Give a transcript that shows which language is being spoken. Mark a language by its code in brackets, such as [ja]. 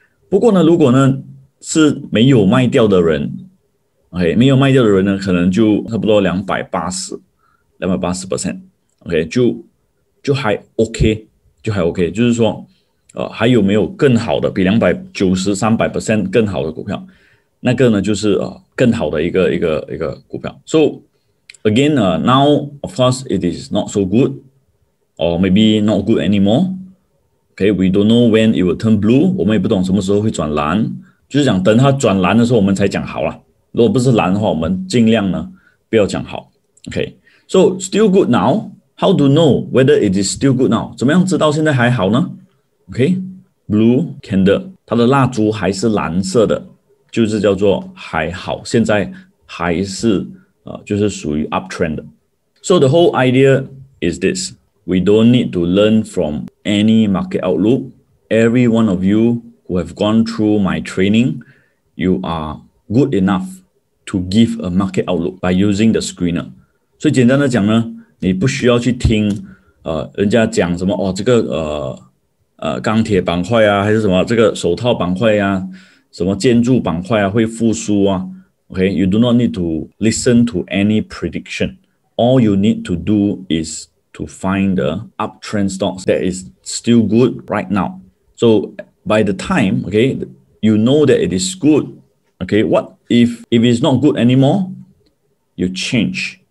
[zh] 不过呢，如果呢是没有卖掉的人 ，OK， 没有卖掉的人呢，可能就差不多280%， OK， 就还 OK， 就是说，还有没有更好的比290-300% 更好的股票？那个呢，就是更好的一个股票。 [en] So again, now of course it is not so good. Or maybe not good anymore. Okay, we don't know when it will turn blue. [zh] 我们也不懂什么时候会转蓝，就是讲等它转蓝的时候我们才讲好了。如果不是蓝的话，我们尽量呢不要讲好。 [en] Okay, so still good now. How to know whether it is still good now? [zh] 怎么样知道现在还好呢 ？ [en] Okay, blue candle, [zh] 它的蜡烛还是蓝色的，就是叫做还好，现在还是就是属于 uptrend. [en] So the whole idea is this. We don't need to learn from any market outlook. Every one of you who have gone through my training, you are good enough to give a market outlook by using the screener. [zh] 所以简单的讲呢，你不需要去听人家讲什么哦，这个钢铁板块啊，还是什么这个手套板块啊，什么建筑板块啊会复苏啊。 [en] Okay, you do not need to listen to any prediction. All you need to do is. To find the uptrend stocks that is still good right now. So by the time, okay, you know that it is good, okay, what if it's not good anymore, you change.